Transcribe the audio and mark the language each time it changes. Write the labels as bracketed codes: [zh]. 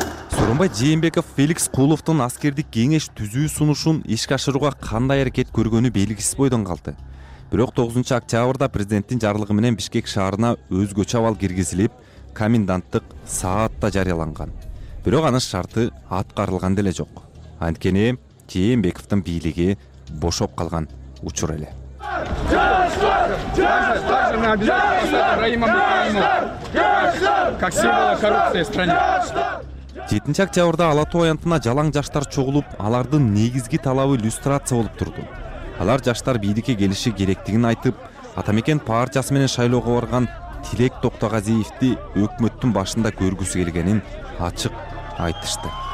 [ky] Сооронбай Жээнбеков Феликс Кулуфтун аскердик кеңеш түзүү сунушун ишке ашырууга кандай аракет көргөнү белгисиз бойдон калды. Бирок 9-октябрда президенттин жарлыгы менен Бишкек шаарына өзгөчө абал киргизилип, коменданттык саат да жарыяланган. Бирок анын шарты аткарылган деле жок. Анткени Жээнбековдун бийлиги бошоп калган учур эле. [ru] Как символ коррупции в стране. [ky] 7 октябрда Алатоо аянтына жалаң жаштар чогулуп, алардын негизги талабы люстрация болуп турду. Алар жаштар бийликке келиши керектигин айтып, Атамекен партиясы менен шайлоого барган Тилек Токтогазиевди өкмөттүн башында көргүсү келгенин ачык айтышты.